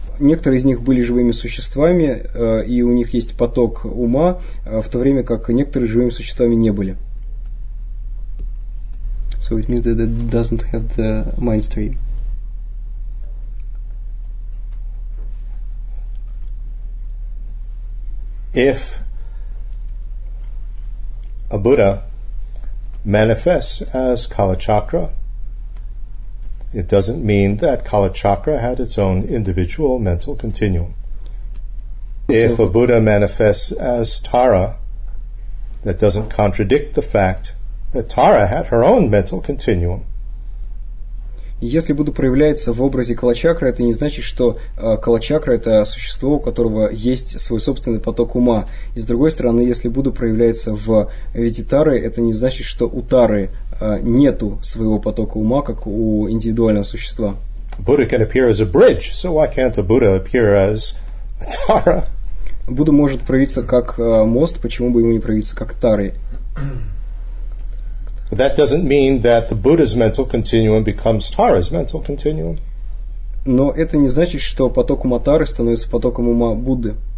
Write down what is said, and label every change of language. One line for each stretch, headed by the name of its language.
Russian: Некоторые из них были живыми существами, и у них есть поток ума, в то время как некоторые живыми существами не были.
English: So it means that it doesn't have the mind stream. If a Buddha manifests as Kalachakra, it doesn't mean that Kalachakra had its own individual mental continuum. If a Buddha manifests as Tara, that doesn't contradict the fact that Tara had her own mental continuum.
Russian: Если Будда проявляется в образе Калачакры, это не значит, что Калачакра – это существо, у которого есть свой собственный поток ума. И с другой стороны, если Будда проявляется в виде Тары, это не значит, что у Тары нету своего потока ума, как у индивидуального существа.
English: Buddha can appear as a bridge, so why can't a Buddha appear as a Tara?
Russian: Будда может проявиться как мост, почему бы ему не проявиться как Тары?
English: But that doesn't mean that the Buddha's mental continuum becomes Tara's mental continuum.
Russian: Но это не значит, что поток ума Тары становится потоком ума Будды.